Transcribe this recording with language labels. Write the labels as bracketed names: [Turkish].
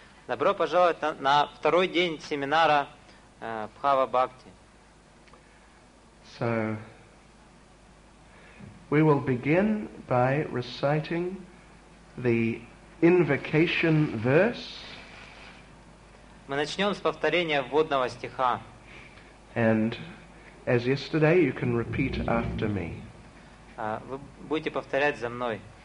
[Russian] Добро пожаловать на второй день семинара Bhava Bhakti. [English] So, we will begin by reciting the invocation verse. [Russian] Мы начнем с повторения вводного стиха. [English] And as yesterday, you can repeat after me. [Russian] Вы будете повторять за мной.